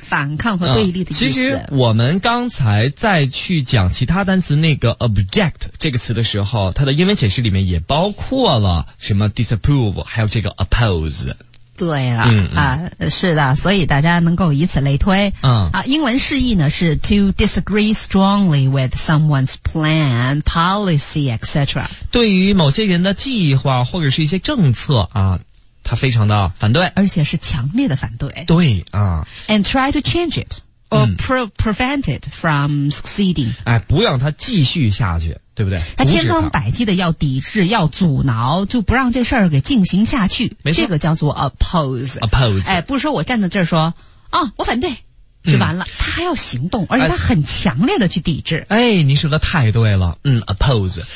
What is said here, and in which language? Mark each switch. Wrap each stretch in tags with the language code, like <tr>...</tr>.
<zh>反抗和对立的意思。其实我们刚才在去讲其他单词那个 object 这个词的时候，它的英文解释里面也包括了什么 disapprove 还有这个 oppose。对了，是的，所以大家能够以此类推。英文释义呢是</zh> <en>to disagree strongly with someone's plan, policy, etc.</en> <zh>对于某些人的计划或者是一些政策啊，他非常的反对，而且是强烈的反对。对啊。</zh> <en>And try to change it or prevent it from succeeding.</en> <zh>哎，不让他继续下去。对不对？他千方百计的要抵制，要阻挠，就不让这事儿给进行下去。没错，这个叫做 oppose。</zh> <en>oppose。</en> <zh>哎，不是说我站在这儿说啊、哦，我反对就完了，他还要行动，而且他很强烈的去抵制。哎，你说的太对了，oppose。</zh>